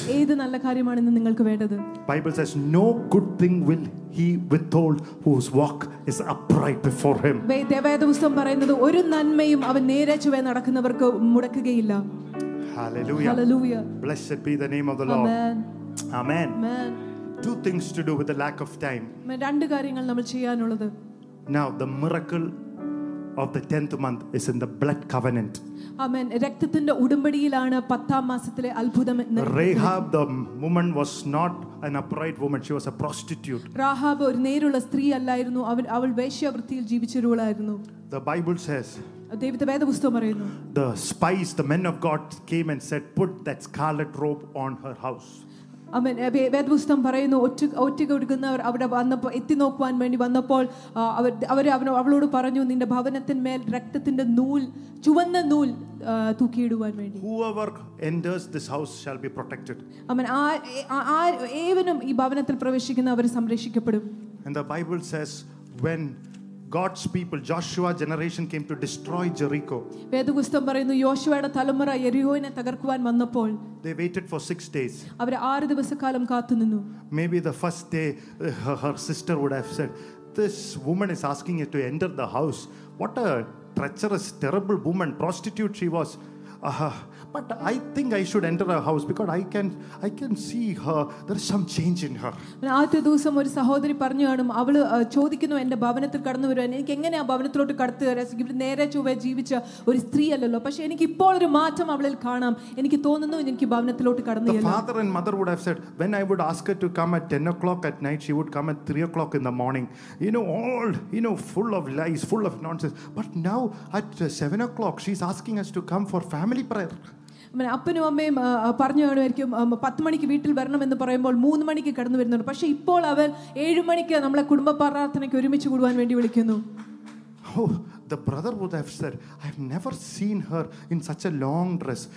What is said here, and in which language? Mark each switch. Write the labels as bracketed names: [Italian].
[Malayalam] ഏത് നല്ല കാര്യമാണ് ഇന്ന് നിങ്ങൾക്ക് വേണ്ടത്? [English] Bible says no good thing will he withhold whose walk is upright before him. [Malayalam] ദൈവവചനം പറയുന്നത് ഒരു നന്മയും അവൻ നേരെചൊവ്വേ നടക്കുന്നവർക്ക് മുടക്കുകയില്ല. [English] Hallelujah. Hallelujah. Blessed be the name of the Lord. Amen. Amen. Amen. Two things to do with the lack of time. [Malayalam] രണ്ട് കാര്യങ്ങൾ നമ്മൾ ചെയ്യാനുള്ളത്. [English] Now the miracle of the 10th month is in the blood covenant. Amen. [Malayalam] രക്തത്തിന്റെ ഉടമ്പടിയിലാണ് 10th മാസത്തിലെ അത്ഭുതം. [English] Rahab, the woman was not an upright woman, she was a prostitute. [Malayalam] Rahab ഒരു നേരുള്ള സ്ത്രീ അല്ലായിരുന്നു, അവൾ വേശ്യാവൃത്തിയിൽ ജീവിച്ചിരുന്നു. [English] The Bible says, [Malayalam] ദൈവവേദപുസ്തകം, [English] the spies, the men of God came and said, put that scarlet robe on her house. [Malayalam] അമേൻ. വേദപുസ്തകം പറയുന്നു, ഒറ്റ കൊടുക്കുന്നവർ അവിടെ വന്നപ്പോൾ, എത്തി നോക്കുവാൻ വേണ്ടി വന്നപ്പോൾ അവളോട് പറഞ്ഞു, നിന്റെ ഭവനത്തിന്മേൽ രക്തത്തിന്റെ നൂൽ, ചുവന്ന നൂൽ തൂക്കിയിടുവാൻ വേണ്ടി. [English] Whoever enters this house shall be protected. [Malayalam] അമേൻ. ഏവനും ഈ ഭവനത്തിൽ പ്രവേശിക്കുന്ന അവർ സംരക്ഷിക്കപ്പെടും. [English] And the Bible says, when God's people, Joshua generation came to destroy Jericho, [Malayalam] വേദപുസ്തകം പറയുന്നു, യോശുവയുടെ തലമുറ യെരിഹോനെ തകർക്കുവാൻ വന്നപ്പോൾ, [English] they waited for 6 days. [Malayalam] Our 6 ദിവസക്കാലം കാത്തുനിന്നു. [English] Maybe the first day her sister would have said, this woman is asking you to enter the house. What a treacherous, terrible woman, prostitute she was. But I think I should enter her house because I can see her, there is some change in her. [Malayalam] നാത്തെ ദൂസം ഒരു സഹോദരി പറഞ്ഞു, അവള് ചോദിക്കുന്നു, എന്റെ ഭവനത്തിൽ കടന്നു വരുവാൻ എനിക്ക് എങ്ങനെ ആ ഭവനത്തിലോട്ട് കടത്തു തരാൻ, ഇവിടെ നേരെ ചൊവ്വ ജീവിച്ച ഒരു സ്ത്രീ അല്ലല്ലോ, പക്ഷെ എനിക്ക് ഇപ്പോൾ ഒരു മാറ്റം അവളിൽ കാണാം, എനിക്ക് തോന്നുന്നു എനിക്ക് ഭവനത്തിലോട്ട് കടന്നു. [English] The father and mother would have said, when I would ask her to come at 10 o'clock at night, she would come at 3 o'clock in the morning. You know, full of lies, full of nonsense. But now at 7 o'clock, she's asking us to come for family prayer. [Malayalam] അപ്പനും അമ്മയും പറഞ്ഞു കാണുമായിരിക്കും, 10 മണിക്ക് വീട്ടിൽ വരണം എന്ന് പറയുമ്പോൾ 3 മണിക്ക് കടന്നു വരുന്നുണ്ട്, പക്ഷെ ഇപ്പോൾ അവൻ 7 മണിക്ക് നമ്മളെ കുടുംബ പ്രാർത്ഥനയ്ക്ക് ഒരുമിച്ച് കൂടുവാൻ വേണ്ടി വിളിക്കുന്നു. [English] The brother would have said, I've never seen her in such a long dress.